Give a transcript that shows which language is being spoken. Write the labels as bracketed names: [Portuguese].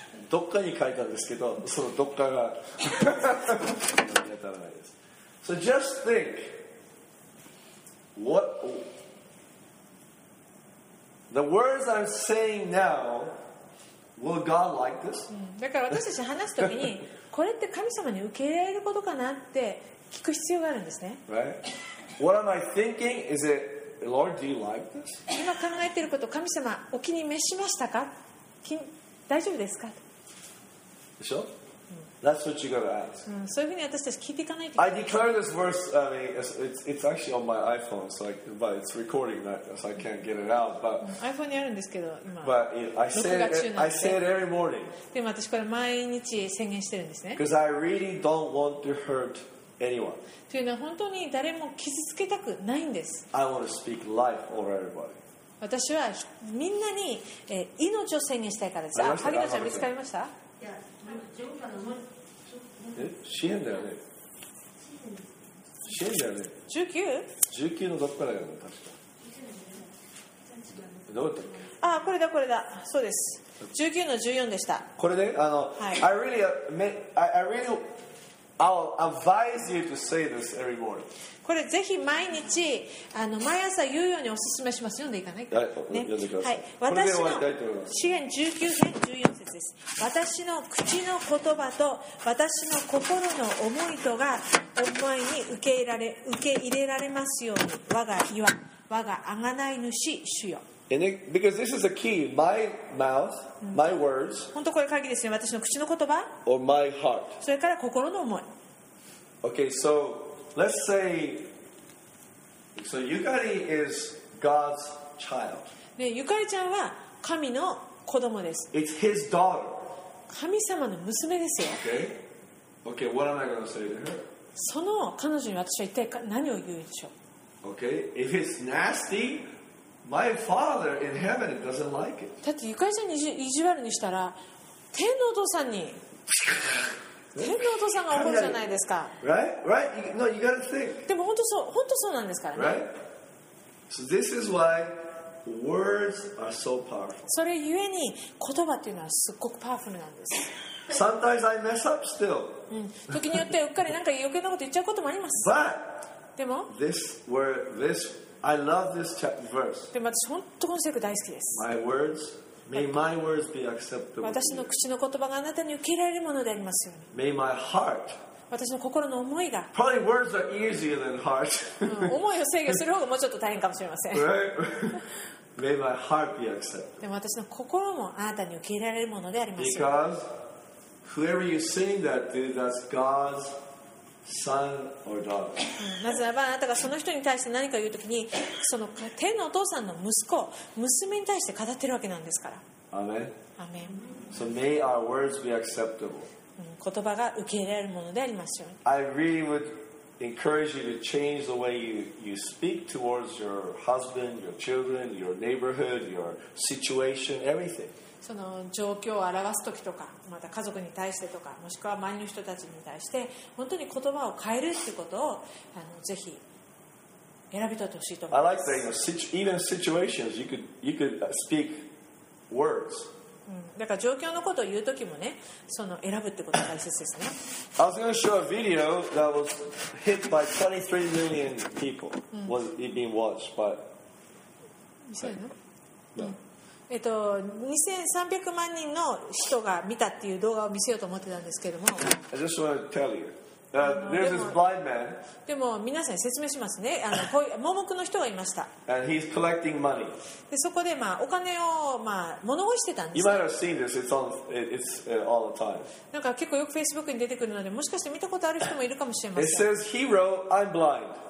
[Japanese] どっかに書いたんですけど、そのどっかが見当たらないです。 [English] So just think, what the words I'm saying now, will God like this? [Japanese] だから私たち話すときに、これって神様に受け入れられることかなって聞く必要があるんですね。 [English] Right? What am I thinking? Is it, Lord, do you like this? [Japanese] 今考えていること、神様、お気に召しましたか？大丈夫ですか？でしょ？ [English] That's what you gotta ask. [Japanese] そういうふうに私たち聞いていかないと。 [English] I declare this verse. I mean, it's actually on my iPhone, so but it's recording, so I can't get it out. But [Japanese] iPhone にあるんですけど、今。 [English] But I say it every morning. [Japanese] でも私これ毎日宣言してるんですね。 [English] Because I really don't want to hurt. Anyone. [Japanese] というのは本当に誰も傷つけたくないんです。 [English] I want to speak life over everybody. [Japanese] 私はみんなに命を宣言したいからです。あ、萩野ちゃん見つかりました？支援だよね、支援だよね。 19 のどこからだよね、確か。どうだったっけ。あ、これだこれだ、そうです、19の14でした。これで、はい、 [English] I really I'll advise you to say this every morning. [Japanese] これぜひ毎日、毎朝言うようにお勧めします。読んでいかないか、ね、はい、私の詩編19編14節です。私の口の言葉と私の心の思いとがお前に受け入れられますように、我が岩、我が贖い主、主よ。 [English] And it, because this is a key, my mouth, my words. [Japanese] 本当これ鍵ですね。私の口の言葉。 [English] Or my heart. [Japanese] それから心の思い。 [English] Okay, so let's say, so Yukari is God's child. [Japanese] ね、ゆかりちゃんは神の子供です。 [English] It's His daughter. [Japanese] 神様の娘ですよ。 [English] Okay, what am I going to say to her? [Japanese] その彼女に私は一体何を言うでしょう。 [English] Okay, if it's nasty. My father in heaven doesn't like it. [Japanese] だってゆかりちゃんに意地悪にしたら天のお父さんに天のお父さんが怒るじゃないですか。 [English] Right? Right? No, you gotta think. [Japanese] でも本当そうなんですからね。 [English] Right? So this is why words are so powerful. [Japanese] それゆえに言葉っていうのはすっごくパワフルなんです。 [English] Sometimes I mess up still. [Japanese] 時によってうっかりなんか余計なこと言っちゃうこともあります。 [English] But [Japanese] でも [English] this word thisI love this verse. [Japanese] でも私本当この聖句大好きです。 [English] My words, may my words be acceptable. [Japanese] 私の口の言葉があなたに受け入れるものでありますように。 [English] May my heart. [Japanese] 私の心の思いが。 [English] Probably words are easier than heart. [Japanese] 思いを制御する方がもうちょっと大変かもしれません。 [English] Right. May my heart be acceptable. [Japanese] でも私の心もあなたに受け入れられるものでありますように。 [English] Because whoever you sing that to, that's God's. Son or daughter. [Japanese] なぜならばあなたがその人に対して何か言うときに、その天のお父さんの息子娘に対して語ってるわけなんですから。アメン、アメン。 [English] So may our words be acceptable. [Japanese] 言葉が受け入れられるものでありますように。 [English] I really would encourage you to change the way you speak towards your husband, your children, your neighborhood, your situation, everything. [Japanese] その状況を表すときとか、また家族に対してとか、もしくは周りの人たちに対して本当に言葉を変えるっていうことをぜひ選び取ってほしいと思います。 [English] I like that, you know, even situations, you could speak words. [Japanese] だから状況のことを言うときもね、その選ぶってことが大切ですね。 [English] I was going to show a video that was hit by 23 million people、was it being watched by [Japanese] 2300万人の人が見たっていう動画を見せようと思ってたんですけども、 [English] I just want to tell youThere's this blind man. [Japanese] でも皆さんに説明しますね。あの、こういう盲目の人がいました。 [English] And he's collecting money. [Japanese] で、そこで、まあ、お金を、まあ、物をしてたんです。 [English] You might have seen this. It's on. It's all the time. [Japanese] なんか結構よく Facebook に出てくるので、もしかして見たことある人もいるかもしれません。 [English] It says he wrote, "I'm blind."